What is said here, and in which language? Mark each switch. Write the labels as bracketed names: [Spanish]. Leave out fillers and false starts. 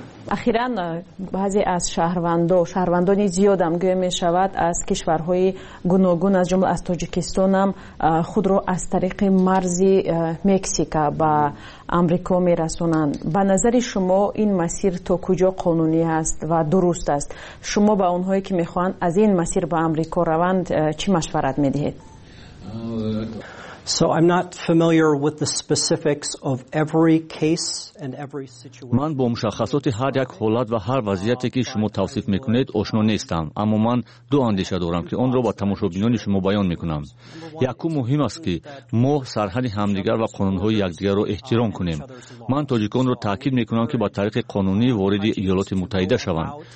[Persian] اخیراً بعضی از شهروندانی زیادم گویا میشود از کشورهای گوناگون از جمله از تاجیکستان هم خود را از طریق مرز مکزیکا با آمریکا میرسونند. به نظر شما این مسیر تا کجا قانونی است و درست است؟ شما به اونهایی که میخوان از این مسیر به آمریکا روند چی مشورت میدهید؟ [English] So I'm not familiar with the specifics of every case and every situation. [Persian] من با مشخصات هر یک حالت و هر وضعیتی که شما توصیف میکنید آشنا نیستم، اما من دو اندیشه دارم که اون را با تماشابینان شما بیان میکنم. یکی مهم است که ما سرحد همدیگر و قانونهای یکدیگر را احترام کنیم. من تاجیکان را تاکید میکنم که با طریق قانونی وارد ایالات متحده شوند.